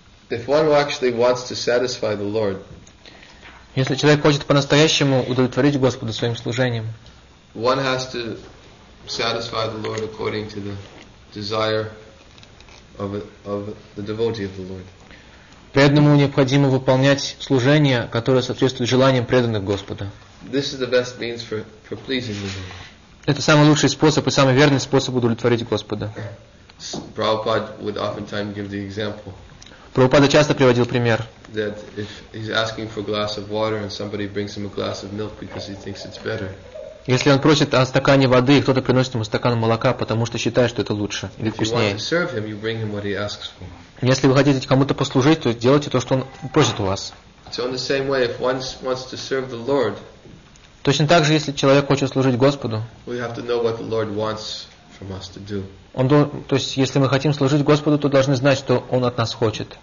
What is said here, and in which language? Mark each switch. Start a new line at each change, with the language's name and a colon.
English: If one who actually wants to satisfy the Lord,
Russian: если человек хочет по-настоящему удовлетворить Господу своим служением,
English: one has to satisfy the Lord according to the desire of the devotee of the Lord.
Russian: Преданному необходимо выполнять служение, которое соответствует желаниям преданных Господа.
English: This is the best means for pleasing the Lord.
Russian: Это самый лучший способ и самый верный способ удовлетворить Господа.
English: Prabhupada would oftentimes give the example.
Russian: Прабхупада часто приводил пример.
English: That if he's asking for a glass of water and somebody brings him a glass of milk because he thinks it's better.
Russian: Если он просит о стакане воды, и кто-то приносит ему стакан молока, потому что считает, что это лучше или вкуснее.
English: Him,
Russian: если вы хотите кому-то послужить, то делайте то, что он просит у вас.
English: Way, to Lord,
Russian: точно так же, если человек хочет служить Господу, то есть, если мы хотим служить Господу, то должны знать, что Он от нас хочет.